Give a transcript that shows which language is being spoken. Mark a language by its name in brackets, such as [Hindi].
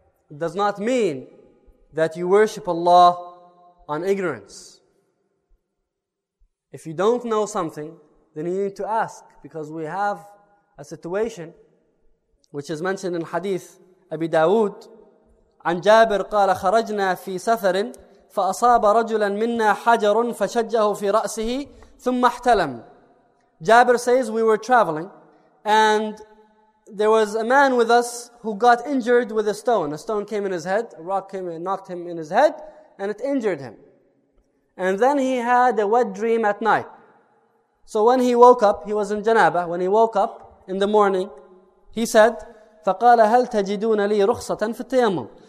[English] It does not mean that you worship Allah on ignorance. If you don't know something, then you need to ask, because we have a situation which is mentioned in Hadith Abi Dawood. [Arabic] عن جابر قال خرجنا في سفر فأصاب رجلا منا حجر فشجه في رأسه ثم احتلم. [English] Jabir says, we were traveling and there was a man with us who got injured with a stone. A stone came in his head, a rock came and knocked him in his head, and it injured him. And then he had a wet dream at night. So when he woke up, he was in Janabah, when he woke up in the morning, he said, [Arabic] فَقَالَ هَلْ تَجِدُونَ لِي رُخْصَةً فِي التَّيَمُّمْ.